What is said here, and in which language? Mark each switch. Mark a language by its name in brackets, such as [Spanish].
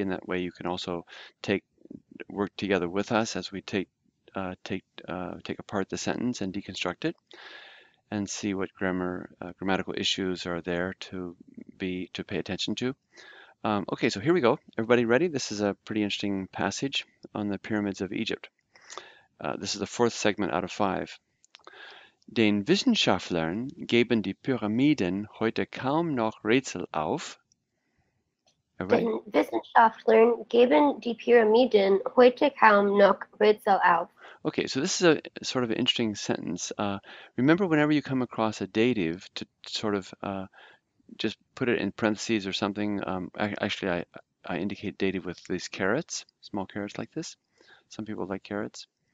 [English] And that way you can also work together with us as we take apart the sentence and deconstruct it and see what grammatical issues are there to pay attention to. Okay, so here we go. Everybody ready? This is a pretty interesting passage on the pyramids of Egypt. This is the fourth segment out of five. [German] Den Wissenschaftlern geben die Pyramiden heute kaum noch Rätsel auf. [English] Everybody? [German] Den Wissenschaftlern geben die Pyramiden heute kaum noch Rätsel auf. [English] Okay, so this is a sort of an interesting sentence. Remember, whenever you come across a dative, to sort of just put it in parentheses or something. Actually, I indicate dative with these carrots, small carrots like this. Some people like carrots.